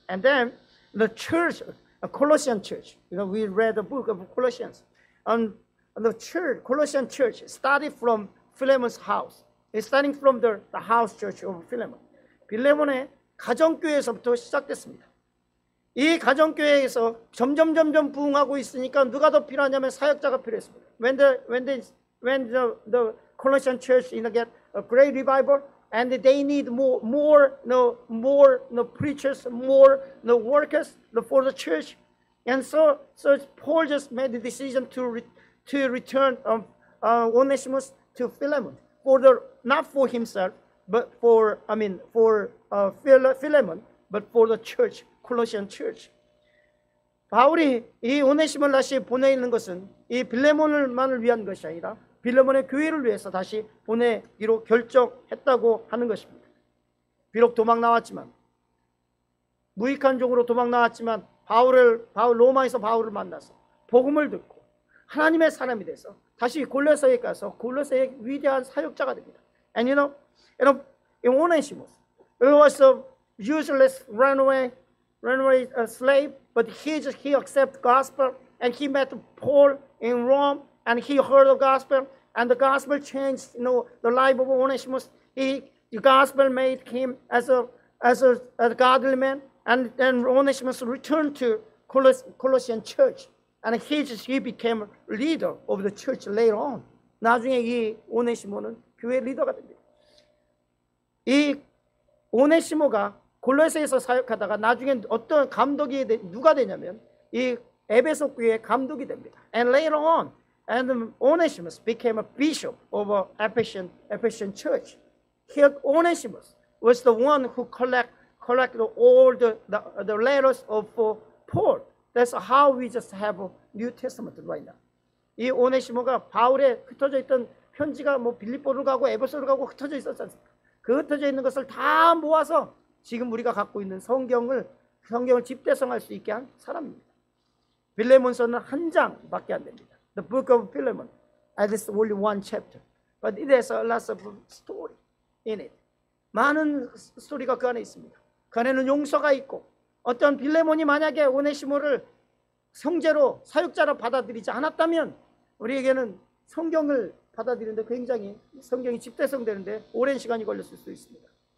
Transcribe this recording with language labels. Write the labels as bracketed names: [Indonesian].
[English] And then the church, a Colossian church. You know, we read the book of Colossians. And the church, Colossian church, started from Philemon's house. It's starting from the house church of Philemon. [Korean] 빌레몬의 가정교회에서부터 시작됐습니다. 이 가정교회에서 점점 부흥하고 있으니까 누가 더 필요하냐면 사역자가 필요했습니다. [English] When the Colossian church in get a great revival, and they need more preachers, more workers for the church. And so Paul just made the decision to return Onesimus to Philemon, not for himself, but for Philemon, but for the church, Colossian church. [Korean] 바울이 이 오네시모를 다시 보내는 것은 이 빌레몬만을 위한 것이 아니라 빌레몬의 교회를 위해서 다시 보내기로 결정했다고 하는 것입니다. 비록 도망 나왔지만 무익한 종으로 도망 나왔지만 로마에서 바울을 만나서 복음을 듣고 하나님의 사람이 돼서 다시 골로새에 가서 골로새의 위대한 사역자가 됩니다. [English] And you know, Onesimus, he was a useless runaway slave, but he accepted gospel and he met Paul in Rome and he heard the gospel and the gospel changed, you know, the life of Onesimus. The gospel made him as a godly man. And then Onesimus returned to Colossian church. And he became leader of the church later on. [Korean] 나중에 이 오네시모는 교회 리더가 됩니다. 이 오네시모가 골로새에서 사역하다가 나중에 어떤 감독이 누가 되냐면 이 에베소 교회의 감독이 됩니다. [English] And later on, and Onesimus became a bishop of Ephesian church. Here, Onesimus was the one who collected all the letters of Paul. That's how we just have a New Testament right now. [Korean] 이 오네시모가 바울의 흩어져 있던 편지가 뭐 빌립보로 가고 에베소로 가고 흩어져 있었잖습니까? 그 흩어져 있는 것을 다 모아서 지금 우리가 갖고 있는 성경을 집대성할 수 있게 한 사람입니다. 빌레몬서는 한 장밖에 안 됩니다. [English] The book of Philemon, and it's only one chapter. But it has a lot of story in it. [Korean] 많은 스토리가 그 안에 있습니다. 그 안에는 용서가 있고 어떤 빌레몬이 만약에 오네시모를 성제로 사육자로 받아들이지 않았다면 우리에게는 성경을 받아들이는데 굉장히 성경이 집대성되는데 오랜 시간이 걸렸을 수 있습니다.